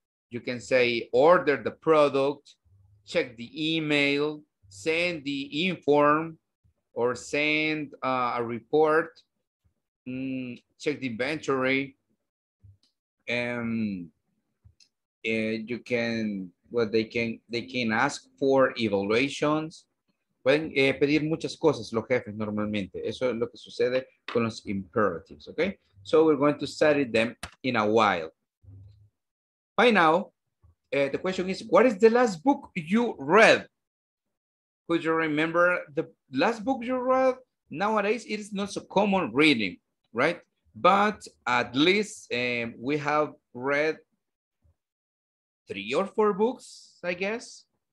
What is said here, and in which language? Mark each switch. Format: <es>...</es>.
<en>You can say, order the product, check the email, send the inform, or send a report, check the inventory, and you can, well, they can ask for evaluations.</en> <es>Pueden pedir muchas cosas los jefes normalmente. Eso es lo que sucede con los imperatives, okay?</es> <en>So we're going to study them in a while. By now, the question is, what is the last book you read? Could you remember the last book you read? Nowadays, it is not so common reading, right? But at least we have read 3 or 4 books, I guess.</en>